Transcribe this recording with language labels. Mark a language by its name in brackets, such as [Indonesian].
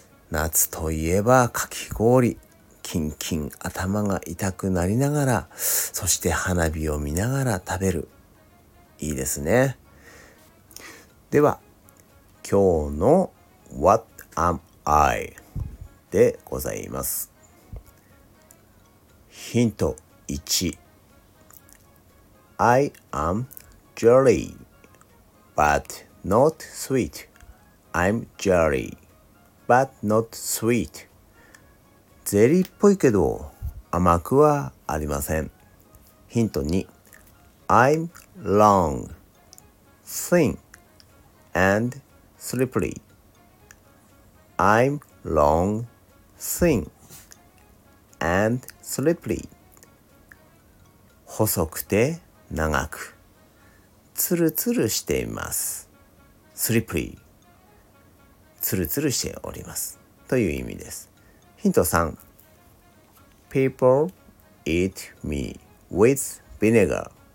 [Japanese] 夏といえばかき氷、キンキン頭が痛くなりながら、そして花火を見ながら食べる、いいですね。では今日の [English] What am I [Japanese] でございます。ヒント1、 [English] I am jellyBut not sweet. I'm jelly, but not sweet. [Japanese] ゼリーっぽいけど甘くはありません。ヒント2。 [English] I'm long, thin, and slippery. I'm long, thin, and slippery. [Japanese] 細くて長く、ツルツルしています。スリプリー、ツルツルしておりますという意味です。ヒント3、 [English] People eat me with vinegar。